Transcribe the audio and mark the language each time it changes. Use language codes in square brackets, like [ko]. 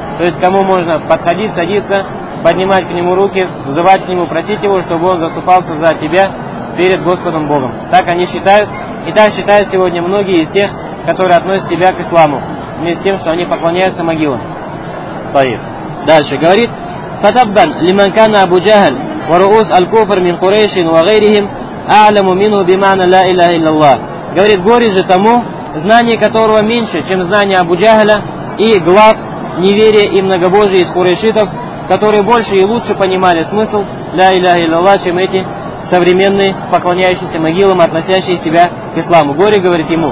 [ru] То есть, кому можно подходить, садиться, поднимать к нему руки, взывать к нему, просить его, чтобы он заступался за тебя перед Господом Богом. Так они считают. И так считают сегодня многие из тех, которые относят себя к исламу, вместе с тем, что они поклоняются могилам. Таиф. Дальше говорит, [ar] «Фатаббан лиманкана [ru] Абу Джахль». [ar] ورؤوس الكفر من قريش وغيرهم أعلم منه بمعنى لا إله إلا الله. [ru] Говорит, горе же тому, знание которого меньше, чем знание Абу Джахля и глав неверия и многобожия из курайшитов, которые больше и лучше понимали смысл [ar] لا إله إلا الله, [ru] чем эти современные поклоняющиеся могилам, относящие себя к исламу. Горе говорит ему.